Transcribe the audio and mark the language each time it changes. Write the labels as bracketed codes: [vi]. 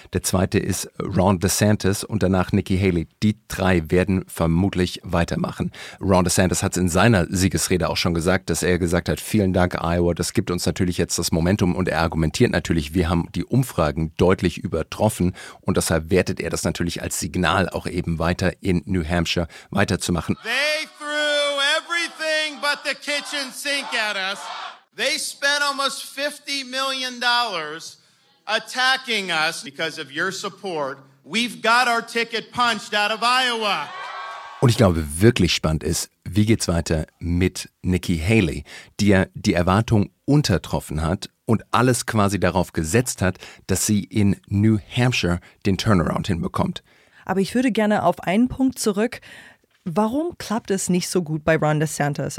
[de] Der zweite ist Ron DeSantis und danach Nikki Haley. Die 3 werden vermutlich weitermachen. Ron DeSantis hat es in seiner Siegesrede auch schon gesagt, dass er gesagt hat, vielen Dank Iowa, das gibt uns natürlich jetzt das Momentum. Und er argumentiert natürlich, wir haben die Umfragen deutlich übertroffen und deshalb wertet er das natürlich als Signal, auch eben weiter in New Hampshire weiterzumachen. [en] They threw everything but the kitchen sink at us. They spent almost $50 million attacking us because of your support. We've got our ticket punched out of Iowa. [de] Und ich glaube, wirklich spannend ist, wie geht's weiter mit Nikki Haley, die ja die Erwartung untertroffen hat und alles quasi darauf gesetzt hat, dass sie in New Hampshire den Turnaround hinbekommt. Aber ich würde gerne auf einen Punkt zurück. Warum klappt es nicht so gut bei Ron DeSantis?